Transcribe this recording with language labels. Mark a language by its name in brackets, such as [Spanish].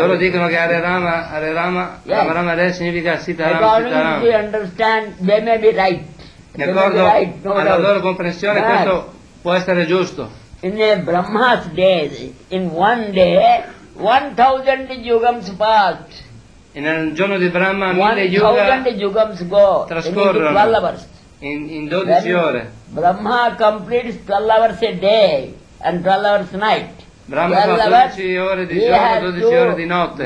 [Italian] loro dicono che Hare Rama Re significa Sita Rama, Sita Rama. [English] According to understand, they may be right. [Italian] D'accordo, alla loro comprensione questo può essere giusto. [English] In the Brahma's days, in one day, 1,000 yugams passed. [Italian] In un giorno di Brahma, 1,000 [English] yugams go. [Italian] Trascorrono. [English] 12 hours. [Italian] In 12 ore. [English] Brahma completes 12 hours a day and 12 hours night. [Italian] Brahma fa 12 ore di giorno, 12 ore di notte.